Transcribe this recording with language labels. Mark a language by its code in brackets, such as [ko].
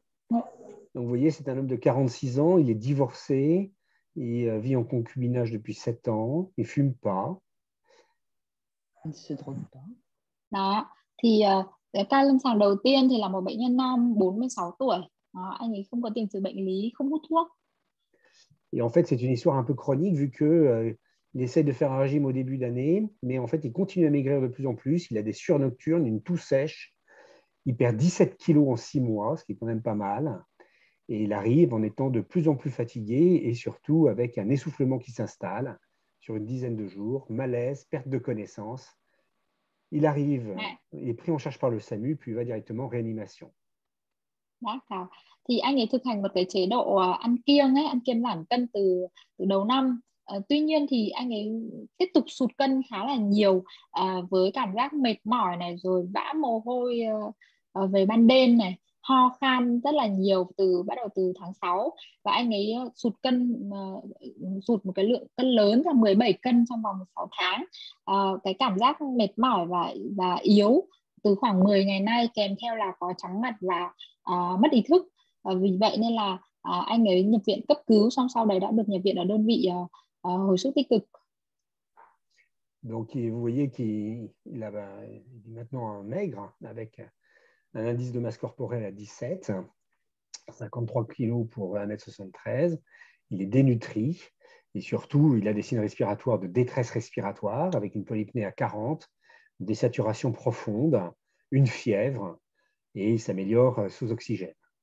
[fr] Donc vous voyez, c'est un homme de 46 ans, il est divorcé, il vit en concubinage depuis 7 ans, il fume pas. Il se drogue pas. [vi] Đó, thì cái cao lâm sàng đầu tiên thì là một bệnh nhân nam 46 tuổi. Đó, anh ấy không có tiền sử bệnh lý, không hút thuốc. [fr] Et en fait, c'est une histoire un peu chronique vu qu'il essaie de faire un régime au début d'année, mais en fait, il continue à maigrir de plus en plus. Il a des sueurs nocturnes, une toux sèche. Il perd 17 kilos en 6 mois, ce qui est quand même pas mal. Et il arrive en étant de plus en plus fatigué et surtout avec un essoufflement qui s'installe sur une dizaine de jours, malaise, perte de connaissance. Il arrive, il est pris en charge par le SAMU, puis il va directement en réanimation. D'accord. [vi] Thì anh ấy thực hành một cái chế độ ăn kiêng ấy, ăn kiêng giảm cân từ từ đầu năm. Tuy nhiên thì anh ấy tiếp tục sụt cân khá là nhiều với cảm giác mệt mỏi này, rồi vã mồ hôi về ban đêm này, ho khan rất là nhiều từ bắt đầu từ tháng 6. Và anh ấy sụt cân, sụt một cái lượng cân lớn là 17 cân trong vòng 6 tháng. Cái cảm giác mệt mỏi và yếu từ khoảng 10 ngày nay, kèm theo là có chóng mặt và mất ý thức. Vì vậy nên là anh ấy nhập viện cấp cứu, xong sau đấy đã được nhập viện ở đơn vị hồi sức tích cực. [fr] Donc vous voyez qu'il a maintenant maigre avec un indice de masse corporelle à 17, 53 kg pour 1m73, il est dénutri et surtout il a des signes respiratoires de détresse respiratoire avec une polypnée à 40, des saturations profondes, une fièvre et il s'améliore sous oxygène.